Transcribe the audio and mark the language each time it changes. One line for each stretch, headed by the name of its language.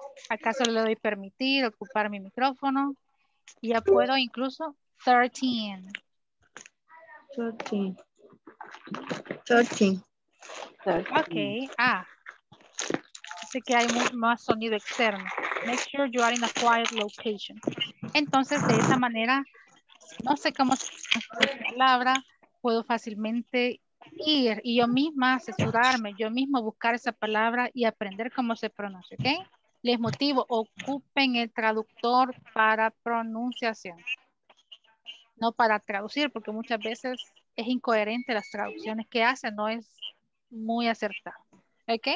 Spanish: Acá solo le doy permitir ocupar mi micrófono y ya puedo incluso 13. 13. 13. Ok, ah, sé que hay más sonido externo.
English: Make sure you are in a quiet location.
Spanish: Entonces de esa manera, no sé cómo se dice la palabra, puedo fácilmente ir y yo misma asesorarme, yo mismo buscar esa palabra y aprender cómo se pronuncia, ¿ok? Les motivo, ocupen el traductor para pronunciación, no para traducir, porque muchas veces es incoherente las traducciones que hacen, no es muy acertado, ¿ok?